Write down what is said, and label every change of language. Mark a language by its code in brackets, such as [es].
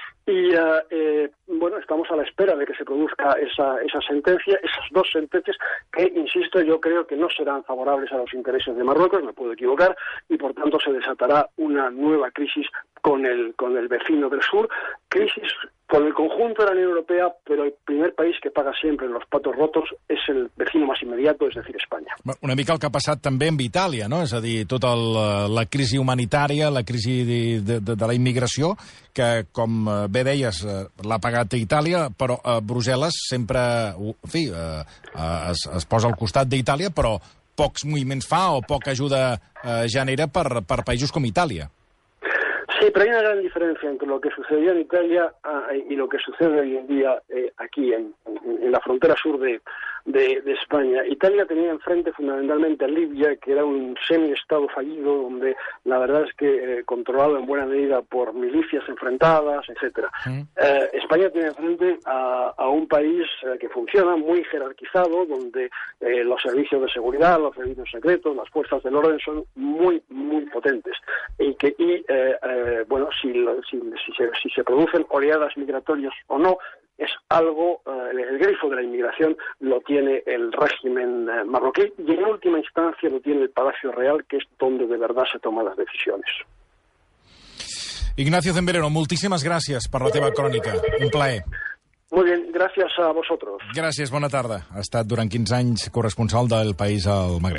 [es] Y bueno, estamos a la espera de que se produzca esa sentencia, esas dos sentencias, que, insisto, yo creo que no serán favorables a los intereses de Marruecos, me puedo equivocar, y por tanto se desatará una nueva crisis con el vecino del sur, crisis con el conjunto de la Unión Europea, pero el primer país que paga siempre los platos rotos es el vecino más inmediato, es decir, España. [ca] Una mica el que ha passat també amb Itàlia, no? És a dir, tota la crisi humanitària, la crisi de la immigració, que, com bé deies, l'ha pagat Itàlia, però a Brussel·les sempre, en fi, es posa al costat d'Itàlia, però pocs moviments fa o poca ajuda genera per països com Itàlia. [es] Sí, pero hay una gran diferencia entre lo que sucedió en Italia y lo que sucede hoy en día aquí en la frontera sur de España. Italia tenía enfrente fundamentalmente a Libia, que era un semi-estado fallido, donde la verdad es que controlado en buena medida por milicias enfrentadas, etcétera. España tiene enfrente a un país que funciona muy jerarquizado, donde los servicios de seguridad, los servicios secretos, las fuerzas del orden son muy muy potentes, y bueno, si se producen oleadas migratorias o no, es algo, el grifo de la inmigración lo tiene el régimen marroquí y en última instancia lo tiene el Palacio Real, que es donde de verdad se toman las decisiones. Ignacio Zembrero, muchísimas gracias por [ca] la teva [es] crónica. [ca] Un plaer. Molt bé, gràcies a vosaltres. Gràcies, bona tarda. Ha estat durant 15 anys corresponsal del País al Magreb.